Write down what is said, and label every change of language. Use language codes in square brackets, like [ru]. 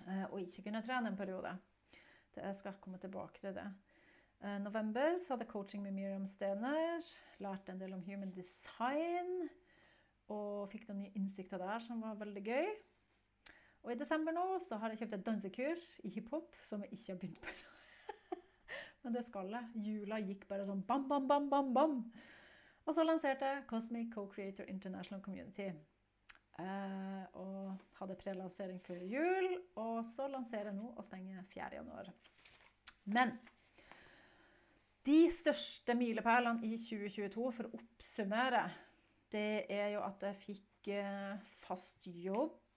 [sv] Och inte kunna träna en period. Det ska komma tillbaka till det. November så hade coaching med Miriam Stener, lärt en del om human design och fick några insikter där som var väldigt gøy. Och I december nu så har jag köpt ett dansekurs I hiphop som jag inte har börjat på. [no] Men det skal jeg. [sv] Jula gick bara som bam bam bam bam bam. Och så lanserade Cosmic Co-Creator International Community. Och hade prelansering för jul och så lanserar nu och stänger 4 januari. Men de största milepælene I 2022 för att uppsummera, det är ju att jag fick fast jobb.